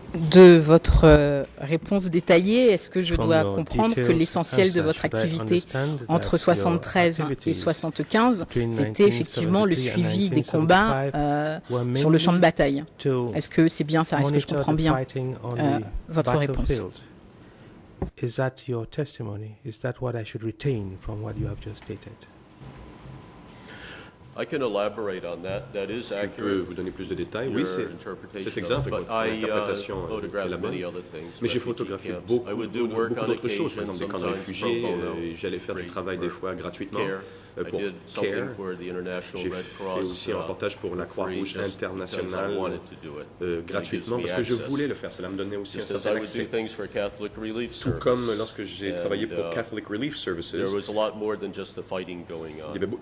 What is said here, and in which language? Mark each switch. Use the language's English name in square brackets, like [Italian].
[French] De votre réponse détaillée, est-ce que je dois comprendre que l'essentiel de votre activité entre 73 et 75, c'était effectivement le suivi des combats sur le champ de bataille? Est-ce que c'est bien ça? Est-ce que je comprends bien votre réponse? [English] Is that your testimony? Is that what I should retain from what you have just stated? I can elaborate on that. That is accurate. [French] Je peux vous donner plus de détails. Oui, c'est exact. Interprétation est la bonne. Mais j'ai photographié beaucoup d'autres choses. Par exemple, des camps de réfugiés. J'allais faire du travail des fois gratuitement pour CARE. J'ai fait aussi un reportage pour la Croix-Rouge internationale gratuitement parce que je voulais le faire. Cela me donnait aussi un certain accès. Tout comme lorsque j'ai travaillé pour Catholic Relief Services. [English] There was a lot more than just the fighting going on.